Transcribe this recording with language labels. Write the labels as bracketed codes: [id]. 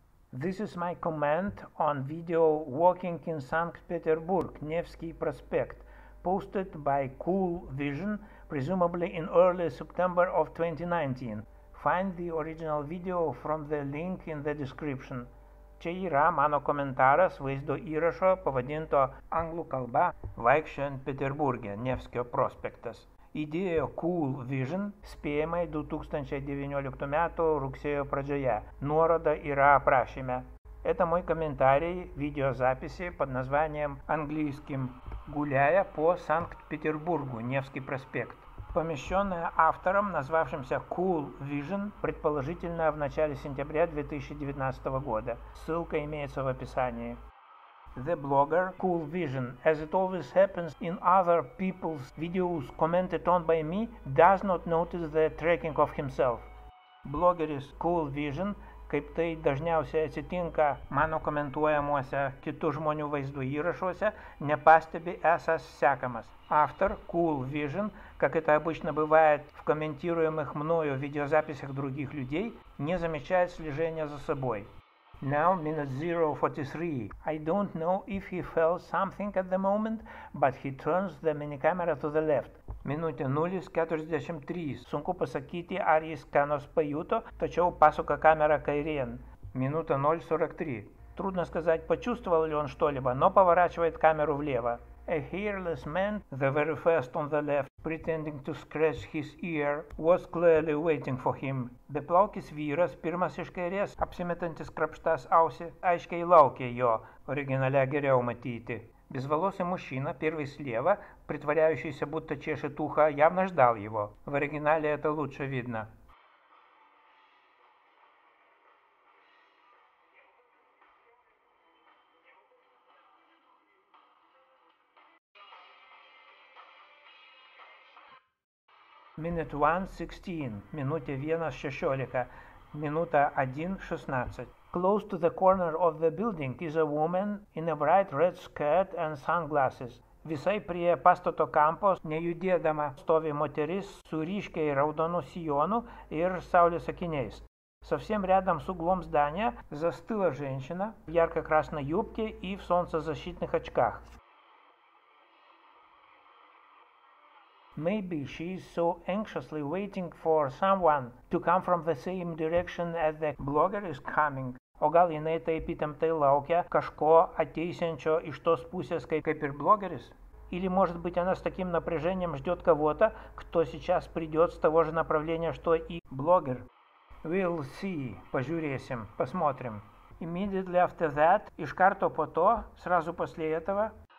[en] This is my comment on video Walking in St. Petersburg, Nevsky Prospect, posted by Cool Vision, presumably in early September of 2019. Find the original video from the link in the description. [lt] Čia yra mano komentaras vaizdo įrašo pavadinto anglų kalba Vaikščiojant Peterburge, Nevskio prospektas. Idėjo Cool Vision spėjimai 2019 metų rugsėjo pradžioje. Nuoroda yra aprašyme. [ru] Это мой комментарий, видеозаписи под названием английским «Гуляя по Санкт-Петербургу, Невский проспект», помещенная автором, назвавшимся Cool Vision, предположительно в начале сентября 2019 года. Ссылка имеется в описании. [en] The blogger Cool Vision, as it always happens in other people's videos commented on by me, does not notice the tracking of himself. [lt] Blogger is Cool Vision, kaip tai dažniausiai atsitinka mano komentuojamuose kitų žmonių vaizdų įrašuose, nepastebi esas sekamas. [ru] Автор Cool Vision, как это обычно бывает в комментируемых мною видеозаписях других людей, не замечает слежения за собой. [en] Now minute 043. I don't know if he felt something at the moment, but he turns the mini camera to the left. [lt] Minutė 043. Sunku pasakyti, ar jis ką nors pajuto, tačiau pasuka kamerą kairėn. Minutė 043. [ru] Трудно сказать, почувствовал ли он что-либо, но поворачивает камеру влево. [en] A hairless man, the very first on the left, pretending to scratch his ear, was clearly waiting for him. [lt] Beplaukis vyras, pirmas iš kairės, apsimetantis krapštas ausį, aiškiai laukė jo, originale geriau matyti. [ru] Безволосый мужчина, первый слева, притворяющийся будто чешет ухо, явно ждал его. В оригинале это лучше видно. [en] Minute 1:16, [lt] минуте 1:16, [ru] минута 1:16. [en] Close to the corner of the building is a woman in a bright red skirt and sunglasses. [lt] Visai prie pastato kampo, nejudėdama, stovi moteris su ryškiai raudonu sijonu ir saulės akiniais. [ru] Совсем рядом с углом здания застыла женщина в ярко-красной юбке и в солнцезащитных очках. [en] Maybe she is so anxiously waiting for someone to come from the same direction as the blogger is coming. [lt] O gal jinai taip įtemptai laukia kažko ateisiančio iš tos pusės, kaip ir blogeris? [ru] Или, может быть, она с таким напряжением ждет кого-то, кто сейчас придет с того же направления, что и блогер? [en] We'll see. [lt] Пожюресим. [ru] Посмотрим. [en] Immediately after that, [lt] iš karto po to, [ru] сразу после этого...